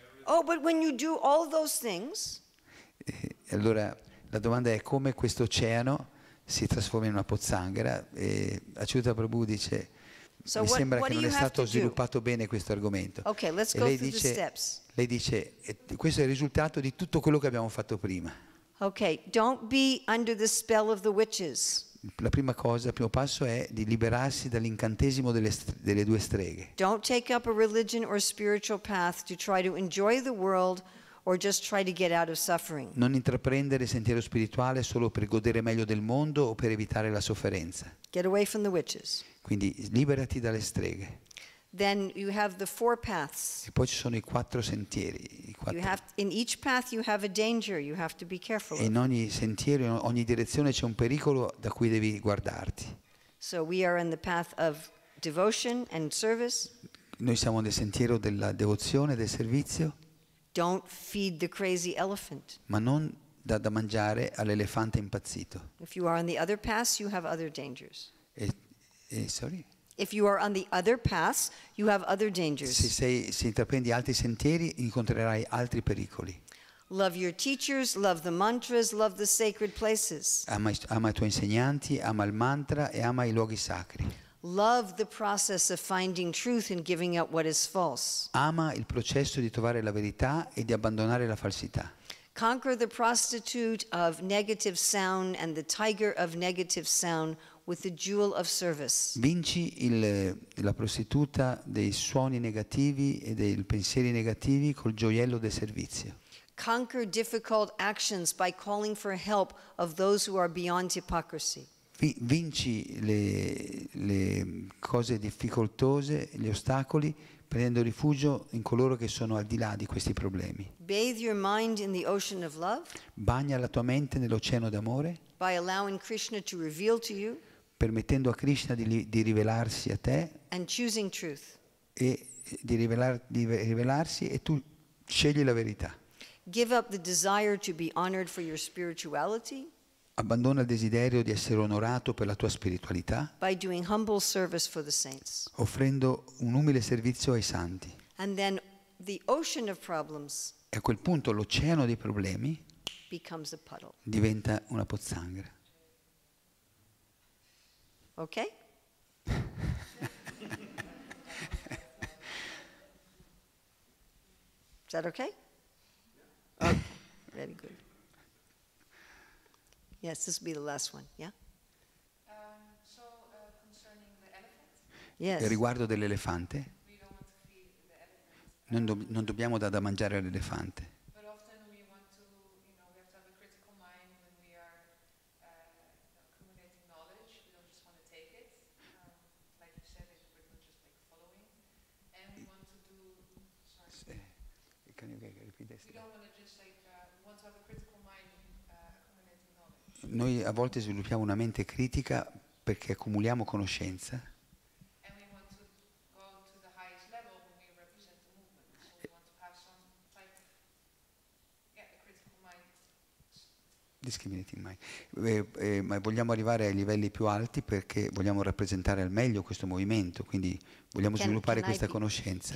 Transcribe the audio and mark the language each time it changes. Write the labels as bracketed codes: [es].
[en] Oh, but when you do all those things. [it] Allora la domanda è come questo oceano si trasforma in una pozzanghera e Acciuta Prabhu dice [en] so [it] mi [en] what, [it] sembra [en] what [it] che non è stato sviluppato [en] do? [it] Bene questo argomento. [en] Okay, let's [it] e lei [en] go [it] dice, [en] the steps. [it] Lei dice questo è il risultato di tutto quello che abbiamo fatto prima. [en] Okay, don't be under the spell of the witches. [it] La prima cosa, il primo passo è di liberarsi dall'incantesimo delle due streghe. [en] Don't take up a religion or spiritual path to try to enjoy the world or just try to get out of suffering. [it] Non intraprendere il sentiero spirituale solo per godere meglio del mondo o per evitare la sofferenza. [en] Get away from the witches. [it] Quindi liberati dalle streghe. [en] Then you have the four paths. [it] E poi ci sono i quattro sentieri. [en] In each path you have a danger, you have to be careful. [it] In ogni sentiero, in ogni direzione c'è un pericolo da cui devi guardarti. [en] So we are in the path of devotion and service. [it] Noi siamo nel sentiero della devozione, del servizio. [en] Don't feed the crazy elephant. [it] Ma non da mangiare all'elefante impazzito. [en] If you are on the other path, you have other dangers. If you are on the other paths, you have other dangers. [it] Se intraprendi altri sentieri, incontrerai altri pericoli. [en] Love your teachers, love the mantras, love the sacred places. [it] Ama i tuoi insegnanti, ama il mantra e ama i luoghi sacri. [en] Love the process of finding truth and giving up what is false. [it] Ama il processo di trovare la verità e di abbandonare la falsità. [en] Conquer the prostitute of negative sound and the tiger of negative sound with the jewel of service. [it] Vinci la prostituta dei suoni negativi e dei pensieri negativi col gioiello del servizio. [en] Conquer difficult actions by calling for help of those who are beyond hypocrisy. [it] Vinci le cose difficoltose, gli ostacoli, prendendo rifugio in coloro che sono al di là di questi problemi. [en] Bathe your mind in the ocean of love. [it] Bagna la tua mente nell'oceano d'amore. [en] By allowing Krishna to reveal to you. [it] Permettendo a Krishna di rivelarsi a te. [en] And choosing truth. [it] E di rivelarsi e tu scegli la verità. [en] Give up the desire to be honored for your spirituality. [it] Abbandona il desiderio di essere onorato per la tua spiritualità. [en] By doing humble service for the saints. [it] Offrendo un umile servizio ai santi. [en] And then the ocean of problems. [it] E a quel punto l'oceano dei problemi [en] becomes a puddle. [it] Diventa una pozzanghera. [en] Ok? Is that okay? Oh, very good. Yes, this will be the last one, yeah? Concerning the elephant? Yes. [it] Riguardo dell'elefante? [en] We don't want to feed the elephant. [it] Non dobbiamo dare da mangiare all'elefante. [en] But often we want to, you know, we have to have a critical mind when we are accumulating knowledge. We don't just want to take it. Like you said, we're not just like following. And we want to do, Can you repeat this? We don't want to just want to have a critical. [it] Noi a volte sviluppiamo una mente critica perché accumuliamo conoscenza ma vogliamo arrivare ai livelli più alti perché vogliamo rappresentare al meglio questo movimento, quindi vogliamo sviluppare questa conoscenza.